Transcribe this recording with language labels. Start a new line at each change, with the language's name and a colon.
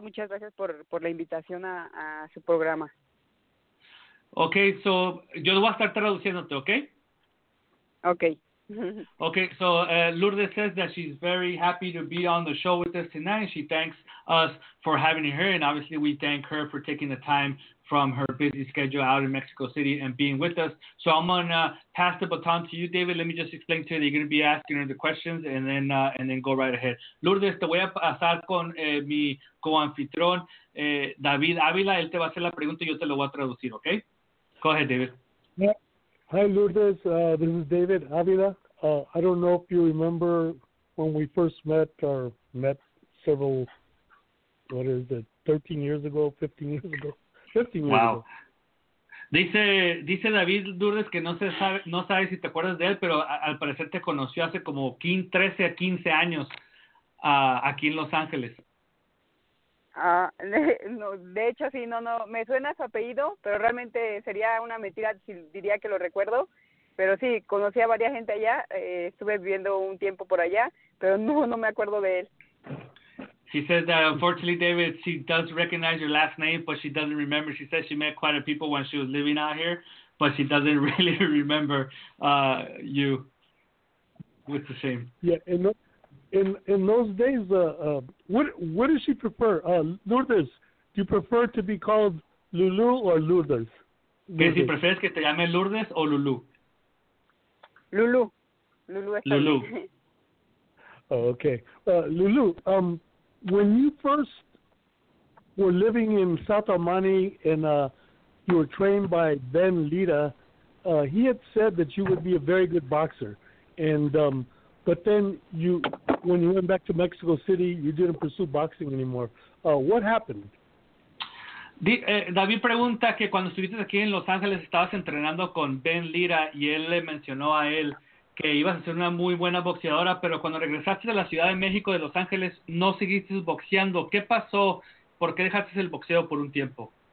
Spanish: Muchas gracias por la invitación a su programa.
English: Okay, so
Spanish: yo voy a estar traduciéndote, okay? Okay.
English: Okay, so Lourdes says that she's very happy to be on the show with us tonight, and she thanks us for having her, and obviously we thank her for taking the time from her busy schedule out in Mexico City and being with us. So I'm going to pass the baton to you, David. Let me just explain to her that you're going to be asking her the questions and then go right ahead.
Spanish: Lourdes, te voy a pasar con mi co-anfitrón, David Ávila. Él te va a hacer la pregunta y yo te lo voy a traducir, ¿ok?
English: Go ahead, David. Yeah. Hi, Lourdes. This is David Ávila. I don't know if you remember when we first met or met several, 13 years ago, 15 years ago.
Spanish: Dice David Lourdes que no sabe si te acuerdas de él, pero al parecer te conoció hace como 13 a 15 años aquí en Los Ángeles. No, me suena su apellido, pero realmente sería una mentira si diría que lo recuerdo, pero sí, conocí a varias gente allá, estuve viviendo un tiempo por allá, pero no me acuerdo de él.
English: She says that, unfortunately, David, she does recognize your last name, but she doesn't remember. She says she met quite a people when she was living out here, but she doesn't really remember you. It's a shame. Yeah, in those days, what does she prefer? Lourdes, do you prefer to be called Lulu or Lourdes?
Spanish: ¿Que si prefieres que te llame Lourdes o Lulu? Lulu. Lulu. Okay.
English: Lulu, when you first were living in South Armani and you were trained by Ben Lita, he had said that you would be a very good boxer. And but then you, when you went back to Mexico City, you didn't pursue boxing anymore. What happened?
Spanish: David pregunta que cuando estuviste aquí en Los Ángeles, estabas entrenando con Ben Lira y él le mencionó a él que ibas a ser una muy buena boxeadora, pero cuando regresaste de la Ciudad de México, de Los Ángeles, no seguiste boxeando. ¿Qué pasó? ¿Por qué dejaste el boxeo por un tiempo?